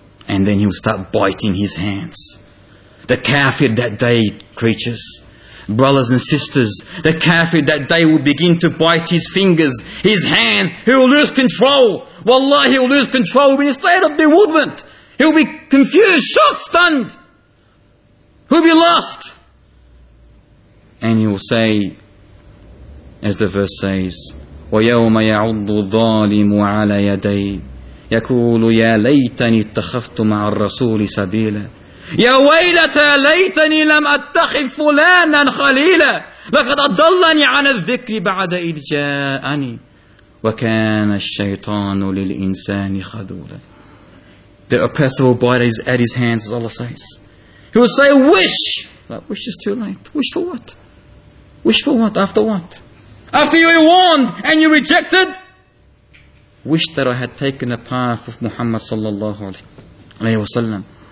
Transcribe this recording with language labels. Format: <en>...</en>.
<en>and then he'll start biting his hands. The kafir that day, creatures, brothers and sisters, the kafir that day will begin to bite his fingers, his hands. He will lose control. Wallahi, he will lose control. He'll be in a state of bewilderment. He'll be confused, shocked, stunned. He'll be lost.</en> <ar>And he will say, as the verse says, وَيَوْمَ يَعُضُّ الظَّالِمُ عَلَى يَدَيْهِ يَكُولُ يَا لَيْتَنِي اتَّخَفْتُ مَعَ الرَّسُولِ سَبِيلًا يَا وَيْلَتَا لَيْتَنِي لَمْ أَتَّخِذْ فُلَانًا خَلِيلًا لَقَدْ أَضَلَّنِي عَنَ الذِّكْرِ بَعَدَ إِذْ جَاءَنِي وَكَانَ الشَّيْطَانُ لِلْإِنسَانِ خَذُولًا.</ar> <en>The oppressor will bite at his hands, as Allah says. He will say, wish! But wish is too late. Wish for what? Wish for what? After what? After you were warned and you rejected? Wish that I had taken the path of Muhammad sallallahu alayhi wa sallam.</en>